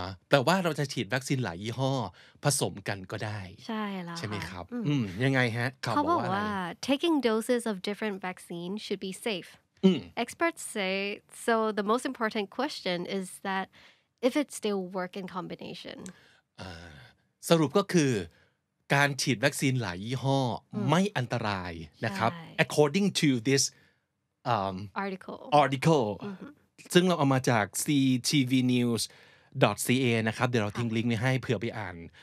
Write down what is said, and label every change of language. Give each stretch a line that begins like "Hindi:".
Thai: แต่ว่าเราจะฉีดวัคซีนหลายยี่ห้อผสมกันก็ได้ ใช่แล้ว ใช่ไหมครับยังไงฮะ เขาบอกว่า
English: taking doses of different vaccine should be safe. Experts say, so the most important question is that if it still work in combination.
Thai: สรุปก็คือการฉีดวัคซีนหลายยี่ห้อไม่อันตรายนะครับ
English: according to thisarticle
Thai: ซึ่งเราเอามาจาก ctvnews.ca นะครับเดี๋ยวเราทิ้งลิงก์ไว้ให้เผื่อไปอ่าน